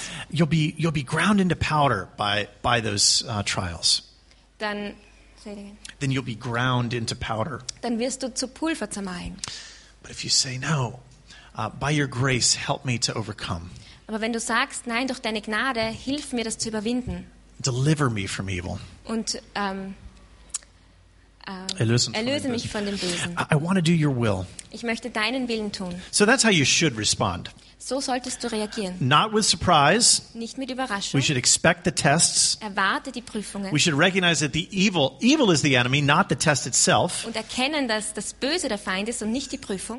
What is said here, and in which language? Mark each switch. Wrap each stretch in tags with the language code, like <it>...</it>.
<en>You'll be ground into powder by those trials.</en> <de>Dann,</de> <en>then you'll be ground into powder.</en> <de>Dann wirst du zu Pulver zermahlen.</de> <en>But if you say no, by your grace help me to overcome.</en> <de>Aber wenn du sagst, nein, durch deine Gnade hilf mir, das zu überwinden.</de> <en>Deliver me from evil.</en> <de>Und erlöse mich von dem Bösen.</de> <en>I want to do your will.</en> <de>Ich möchte deinen Willen tun.</de> <en>So that's how you should respond.</en> <de>So solltest du reagieren.</de> <en>Not with surprise.</en> <de>Nicht mit Überraschung.</de> <en>We should expect the tests.</en> <de>Erwarte die Prüfungen.</de> <en>We should recognize that the evil is the enemy, not the test itself.</en> <de>Und erkennen, dass das Böse der Feind ist und nicht die Prüfung.</de>